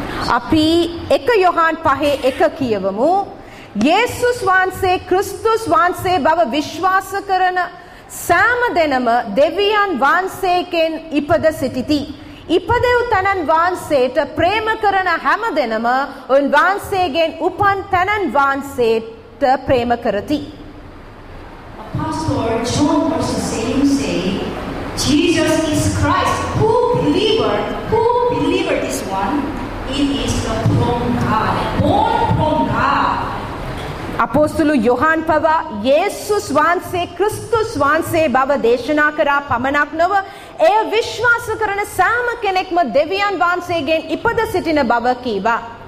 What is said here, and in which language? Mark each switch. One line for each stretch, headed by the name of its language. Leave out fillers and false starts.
Sinhala: අපි 1 යොහාන් 5:1 කියවමු. යේසුස් වහන්සේ ක්‍රිස්තුස් වහන්සේ බව විශ්වාස කරන සෑම දෙනම දෙවියන් වහන්සේකෙන් ඉපද සිටිති. ඉපදෙව් තනන් වහන්සේට ප්‍රේම කරන හැම දෙනම උන් වහන්සේගෙන් උපන් තනන් වහන්සේ ප්‍රේම කරති.
English: Apostle John also saying, Jesus is Christ. Who believer this one? It is the from God, born from God.
Sinhala: අපොස්තුළු Yohan පවා යේසුස් වහන්සේ ක්‍රිස්තුස් වහන්සේ බව දේශනා කරා පමණක් නොව එය විශ්වාස කරන සෑම කෙනෙක්ම දෙවියන් වහන්සේගෙන් ඉපද සිටින බව කීවා.